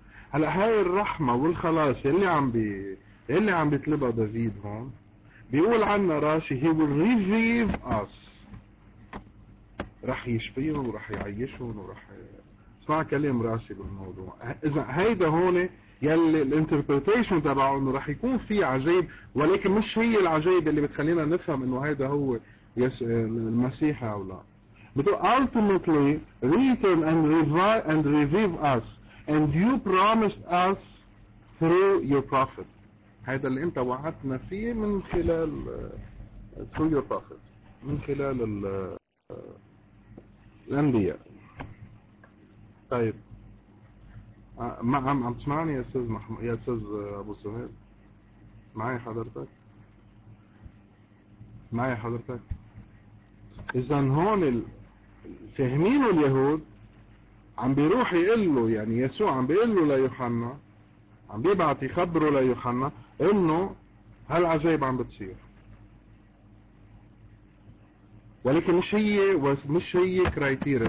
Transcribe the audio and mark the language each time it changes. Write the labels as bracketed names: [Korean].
[Arabic] هلا هاي الرحمه والخلاص اللي عم بيطلبها دافيد هون بيقول عنا راشي [English] he will revive us, [Arabic] رح يشفيهم ورح يعيشهم ورح اسمع كلام راشي بالموضوع. اذا هيدا هون يلي الانتربريتيشن تبعه انه رح يكون في عجيب، ولكن مش هي العجيب اللي بتخلينا نفهم انه هيدا هو المسيح او لا. [English] But ultimately, return and revive and revive us, and you promised us through your prophet. [Arabic] هذا اللي أنت وعدتنا فيه من خلال [English] through your prophet، [Arabic] من خلال الأنبياء. طيب، عم تسمعني يا أستاذ محمد، يا أستاذ أبو سهيل؟ معي حضرتك؟ معي حضرتك؟ إذا هون فهمين اليهود عم بيروح يقول له، يعني يسوع عم بيقول له ليوحنا، عم بيبعت يخبره ليوحنا انه هالعجائب عم بتصير، ولكن مش هي كرايتيريا.